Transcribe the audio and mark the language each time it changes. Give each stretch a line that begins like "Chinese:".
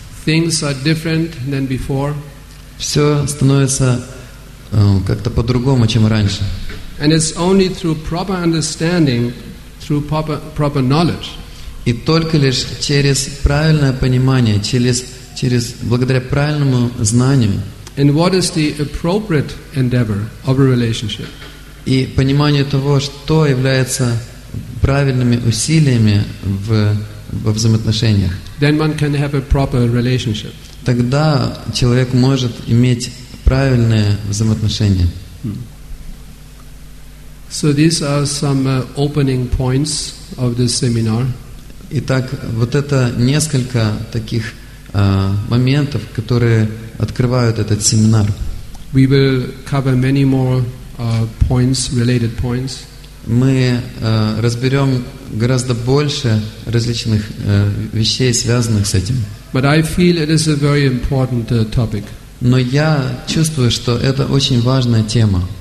English: Things are different than before.
Russian: Все становится как-то по-другому, чем раньше.
English: And it's only through proper understanding, through proper knowledge.
Russian: И только лишь через правильное понимание, через благодаря правильному знанию.
English: And what is the appropriate endeavor of a relationship?
Russian: И понимание того, что является правильными усилиями во взаимоотношениях.
English: Then one can have a proper relationship.
Russian: Тогда человек может иметь правильные взаимоотношения.
English: So these are some opening points of this seminar.
Russian: Итак, вот это несколько таких моментов, которые открывают этот семинар.
English: We will cover many more points, related points.
Russian: Мы разберем гораздо больше различных вещей, связанных с этим.
English: But I feel it is a very important topic.
Russian: Но я чувствую, что это очень важная тема.